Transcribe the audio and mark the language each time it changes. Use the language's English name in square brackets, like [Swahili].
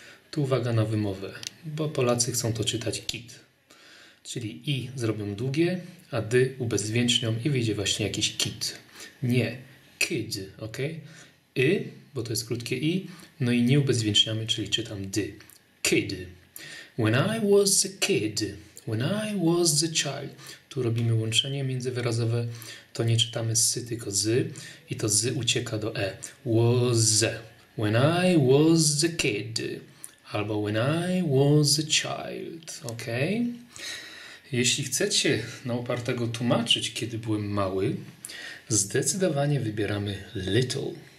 [Polish] Tu uwaga na wymowę, bo Polacy chcą to czytać kid. Czyli i zrobią długie, a dy ubezwięcznią i wyjdzie właśnie jakiś kid. Nie, kid, ok? I, bo to jest krótkie i, no i nie ubezwięczniamy, czyli czytam dy. Kid. [English] When I was a kid, when I was a child. [Polish] Tu robimy łączenie międzywyrazowe, to nie czytamy sy, tylko zy i to zy ucieka do e. [English] Was. When I was a kid. [Polish] Albo [English] when I was a child. Ok? [Polish] Jeśli chcecie na upartego tłumaczyć, kiedy byłem mały, zdecydowanie wybieramy little.